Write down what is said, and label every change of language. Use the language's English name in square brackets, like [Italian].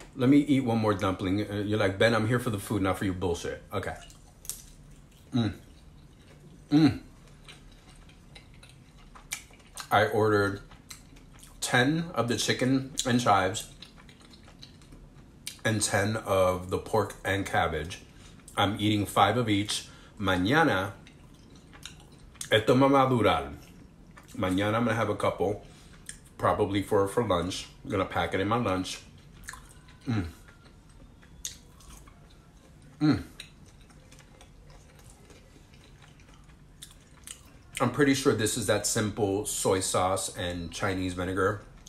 [English] Let me eat one more dumpling. You're like, Ben, I'm here for the food, not for your bullshit. Okay. I ordered 10 of the chicken and chives and 10 of the pork and cabbage. I'm eating 5 of each. [Spanish] Mañana, esto me va a durar. [English] Mañana I'm going to have a couple, probably for lunch. I'm going to pack it in my lunch. I'm pretty sure this is that simple soy sauce and Chinese vinegar.